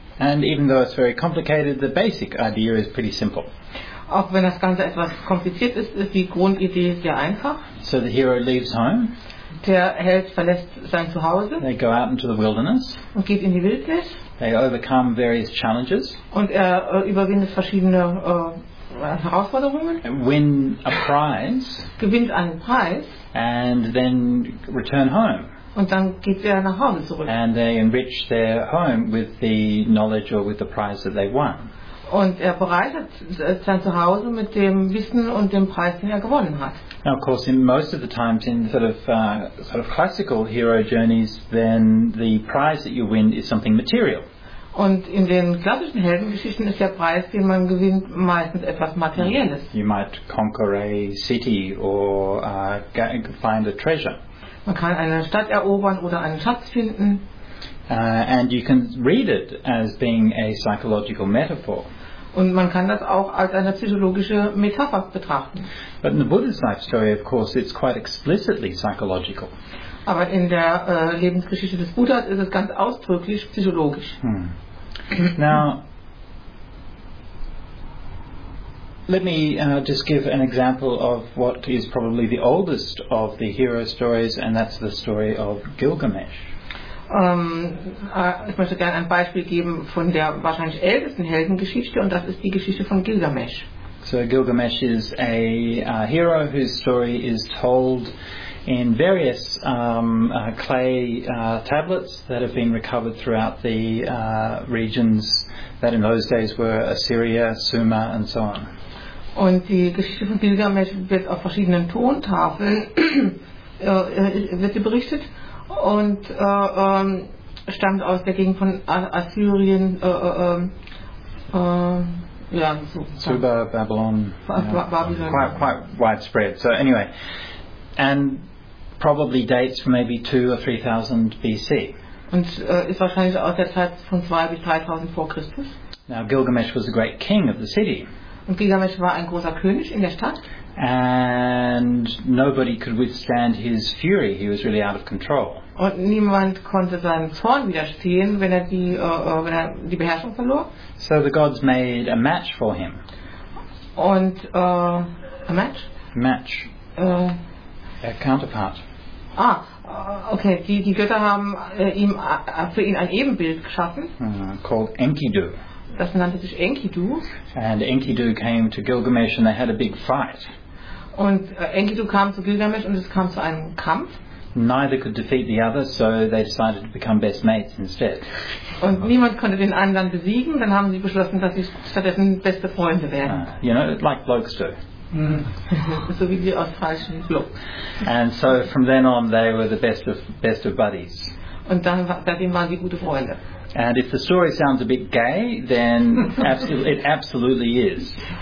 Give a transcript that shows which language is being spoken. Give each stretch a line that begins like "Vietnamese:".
English: And even though it's very complicated, the basic idea is pretty simple.
German: Auch wenn das Ganze etwas kompliziert ist, ist die Grundidee sehr einfach.
English: So the hero leaves home.
German: Der Held verlässt sein Zuhause.
English: They go out into the wilderness.
German: Und geht in die Wildnis.
English: They overcome various challenges.
German: Und er überwindet verschiedene Herausforderungen.
English: Win a prize.
German: Gewinnt einen Preis.
English: And then return home.
German: Und dann geht er nach Hause zurück.
English: And they enrich their home with the knowledge or with the prize that they won.
German: Und er bereitet sein Zuhause mit dem Wissen und dem Preis, den er gewonnen hat.
English: Now, of course, in most of the times in sort of classical hero journeys, then the prize that you win is something material.
German: Und in den klassischen Heldengeschichten ist der Preis, den man gewinnt, meistens etwas Materielles.
English: You might conquer a city or find a treasure.
German: Man kann eine Stadt erobern oder einen Schatz finden.
English: And you can read it as being a psychological metaphor.
German: Und man kann das auch als eine psychologische Metapher betrachten.
English: But in the Buddha's life story, of course, it's quite explicitly psychological.
German: Aber in der Lebensgeschichte des Buddha ist es ganz ausdrücklich psychologisch.
English: Now, let me just give an example of what is probably the oldest of the hero stories, and that's the story of Gilgamesh.
German: Ich möchte gerne ein Beispiel geben von der wahrscheinlich ältesten Heldengeschichte, und das ist die Geschichte von Gilgamesh.
English: So Gilgamesh is a hero whose story is told in various clay tablets that have been recovered throughout the regions that in those days were Assyria, Sumer and so on.
German: Und die Geschichte von Gilgamesh wird auf verschiedenen Tontafeln wird sie berichtet. Und stammt aus der Gegend von Assyrien,
English: Suba, Babylon, quite widespread. So anyway, and probably dates from maybe 2,000 or 3,000 BC.
German: Und ist wahrscheinlich aus der Zeit von 2,000 bis 3,000 vor Christus.
English: Now Gilgamesh was a great king of the city.
German: Und Gilgamesh war ein großer König in der Stadt.
English: And nobody could withstand his fury. He was really out of control.
German: Und niemand konnte seinen Zorn widerstehen, wenn er die Beherrschung verlor.
English: So the gods made a match for him.
German: Und
English: a match? Match. A counterpart. Ah, okay.
German: Die Götter haben ihm für ihn ein Ebenbild geschaffen.
English: Called Enkidu.
German: Das nannte sich Enkidu.
English: And Enkidu came to Gilgamesh and they had a big fight.
German: Und Enkidu kam zu Gilgamesh und es kam zu einem Kampf.
English: Neither could defeat the other, so they decided to become best mates instead.
German: Und niemand konnte den anderen besiegen, dann haben sie beschlossen, dass sie stattdessen beste Freunde werden.
English: You know, like blokes do.
German: So wie die australischen Blokes.
English: And so from then on they were the best of buddies.
German: Und dann seitdem waren sie gute Freunde.
English: And if the story sounds a bit gay, then it absolutely is.